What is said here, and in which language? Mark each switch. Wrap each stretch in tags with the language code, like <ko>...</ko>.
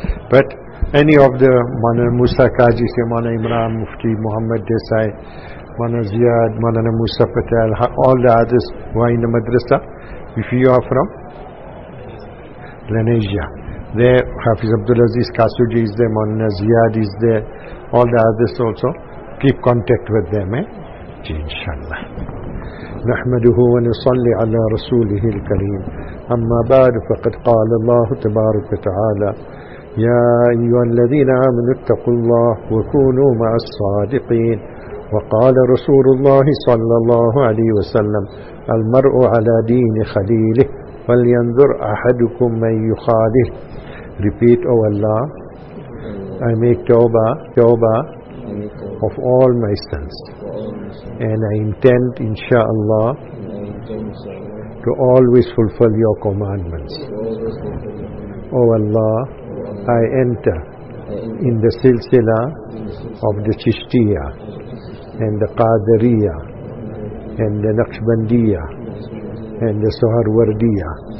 <en>But any of the Maulana Musa Qazi, Maulana Imran Mufti, Muhammad Desai, Maulana Ziyad, Maulana Musa Patel, all the others who are in the madrasa, if you are from Malaysia, there Hafiz Abdulaziz Qasuji is there, Maulana Ziyad is there, all the others also. Keep contact with them, eh? Inshallah.</en> <ar>نحمده ونصلي على رسوله الكريم أما بعد فقد قال الله تبارك وتعالى يا أيها الذين آمنوا اتقوا الله وكونوا مع الصادقين وقال رسول الله صلى الله عليه وسلم المرء على دين خليله فلينظر أحدكم من يخاله.</ar> <en>Repeat, O Allah, I make tawbah of all my sins, and I intend, inshaAllah, to always fulfill your commandments. O Allah, I enter in the silsila of the Chishtiyah and the Qadariyah and the Naqshbandiyah and the Suharwardiyah.</en>